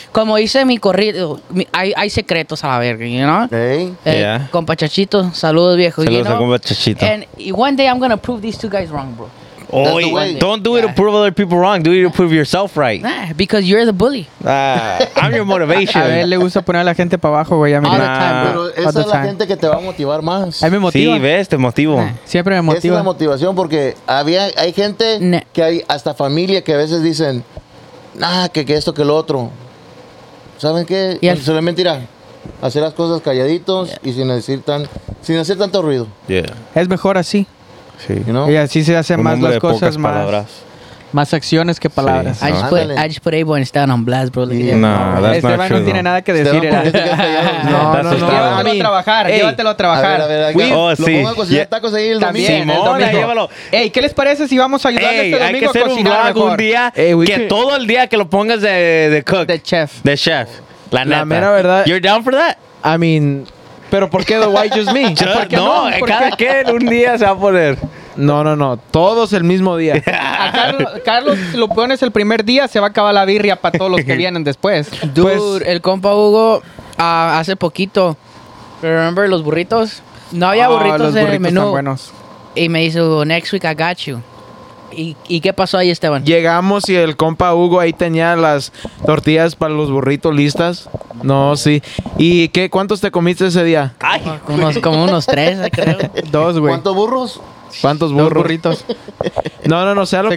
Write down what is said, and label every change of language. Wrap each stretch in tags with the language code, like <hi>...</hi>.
<es>Como hice mi corrido, hay secretos a la verga,</es> <en>you know? Hey.</en> <es>Yeah. Compa Chachito, saludos viejo. Saludos,</es> <en>you know?</en> <es>A Compa Chachito.</es> <en>And one day I'm gonna prove these two guys wrong, bro. Oh, don't do it to prove other people wrong. Do it to prove yourself right. Nah, because you're the bully. I'm your motivation.</en> <es>A él le gusta poner a la gente para abajo, güey.</es> <en>All the time.</en> <es>Pero esa es la gente que te va a motivar más. Ahí me motiva. Sí, ves, te motivo. Nah. Siempre me motiva. Esa es la motivación porque hay gente que hay hasta familia que a veces dicen, nah, que esto, que lo otro. ¿Saben qué? Yeah. Se le mentira. Hacer las cosas calladitos y sin hacer tanto ruido.</es> <en>Yeah.</en> <es>Es mejor así. Sí.</es> <en>You know?</en> <es>Y así se hacen más las cosas, más palabras. Más acciones que palabras. Sí.</es> <en>I just put Abel and Esteban on blast, bro. Like, yeah. No,</en> <es>Esteban no tiene nada que decir. No. Llévatelo a trabajar. Lo pongo a cocinar tacos ahí el domingo. Llévalo. Ey, ¿qué les parece si vamos a ayudar este domingo a cocinar mejor? Hay que hacer un vlog un día que todo el día que lo pongas de cook. De chef. La neta. La mera verdad.</es> <en>You're down for that? I mean,</en> <es>pero ¿por qué</es> <en>the why just me?</en> <es>Porque cada quien un día se va a poner. No. Todos el mismo día. Yeah. A Carlos lo pones el primer día, se va a acabar la birria para todos los que vienen después. Dude, pues, el compa Hugo, hace poquito, remember los burritos? No había burritos en el menú. Están buenos. Y me dice Hugo,</es> <en>next week I got you.</en> <es>¿Y qué pasó ahí, Esteban? Llegamos y el compa Hugo ahí tenía las tortillas para los burritos listas. No, sí. ¿Y qué? ¿Cuántos te comiste ese día? Ay, como unos tres, creo. Dos, güey. ¿Cuántos burros? ¿Cuántos burros? Dos burritos. No, sea lo se</es>